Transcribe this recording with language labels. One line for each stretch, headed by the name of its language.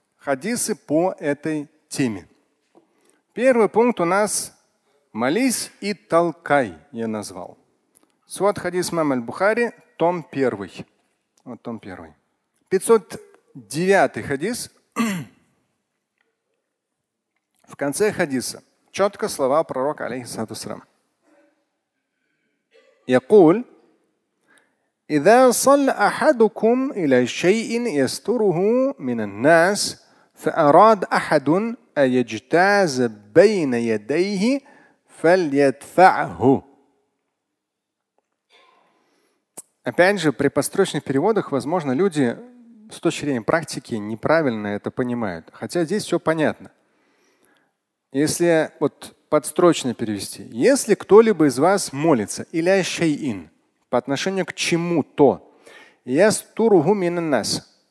Russian: Хадисы по этой теме. Первый пункт у нас «Молись и толкай», я назвал. Свод хадис Имама аль-Бухари, том 1. Вот том 1. 509 хадис. В конце хадиса четко слова пророка, алейхиссалату вассалям.
Arabic: يقول إذا صلى أحدكم إلى شيء يستره من الناس فأراد أحد أن يجتاز بين يديه فليدفعه.
Russian: Опять же, при построчных переводах, возможно, люди с точки зрения практики неправильно это понимают. Хотя здесь все понятно. Если вот подстрочно перевести. Если кто-либо из вас молится или ашайин по отношению к чему-то, я стургу мина нас.